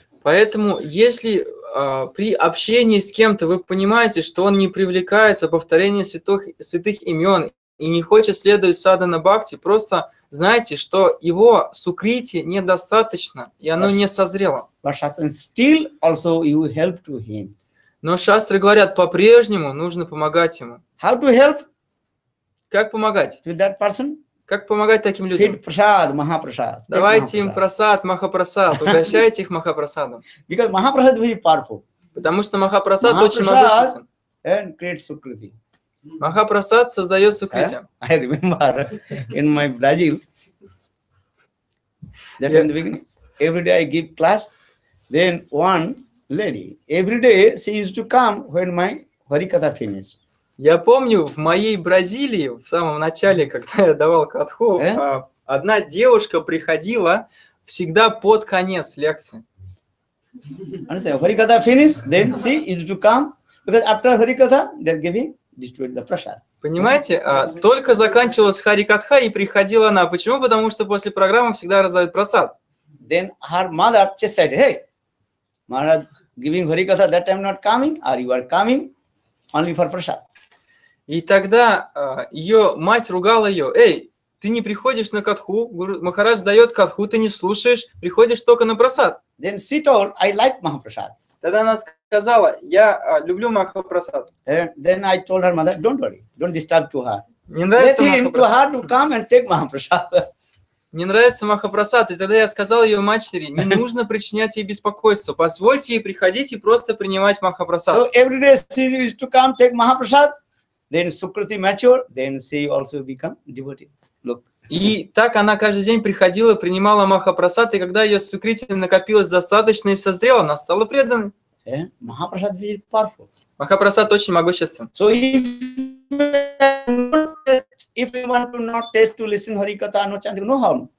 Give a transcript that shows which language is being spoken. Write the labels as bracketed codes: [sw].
[ru] Поэтому если при общении с кем-то вы понимаете, что он не привлекается повторением святых имен и не хочет следовать садхана бхакти, просто знайте, что его сукрити недостаточно, и оно не созрело. [en] But Shastra still also you help to him. [ru] Но шастры говорят, по-прежнему нужно помогать ему. [en] How to help? [ru] Как помогать? [en] With that person? [ru] Как помогать таким людям? Прасад, махапрасад. Давайте им прасад, махапрасад. Угощайте их махапрасадом. [en] Because махапрасад very powerful. [ru] Потому что махапрасад очень могущественен. [en] And create сукрити. [ru] Махапрасад создает сукрити. [en] I remember in my Brazil that in the beginning every day I give class, then one lady every day she used to come when my Harikatha finished. [ru] Я помню, в моей Бразилии, в самом начале, когда я давал катху, одна девушка приходила всегда под конец лекции. [en] Understand? Харикатха finish, then she is to come. Because after Харикатха, they're giving, distribute the prasad. [ru] Понимаете? Только заканчивалась Харикатха и приходила она. Почему? Потому что после программы всегда раздают прасад. [en] Then her mother just said, hey, Maharaj giving Харикатха, that time not coming, or you are coming only for prasad. [ru] И тогда ее мать ругала ее, эй, ты не приходишь на катху, Махарадж дает катху, ты не слушаешь, приходишь только на прасад. [en] Then she told, I like Mahaprasad. [ru] Тогда она сказала: я люблю Махапрасад. [en] Then I told her mother, don't worry, don't disturb to her. [ru] Не нравится [en] Let him to her to come and take Махапрасад. [ru] Не нравится Махапрасад. И тогда я сказал ее матери: не нужно причинять ей беспокойство. Позвольте ей приходить и просто принимать Махапрасад. [en] So every day she used to come take Махапрасад. Then Sukriti mature, then she also become devotee. Look. [ru] И так она каждый день приходила, принимала Махапрасад, и когда ее Сукрити накопилось достаточно и созрела, она стала преданной. [en] Махапрасад is powerful. [ru] Махапрасад очень могуществен. [en] So if you want to not taste to listen Hari Katha, no chanting, no harm.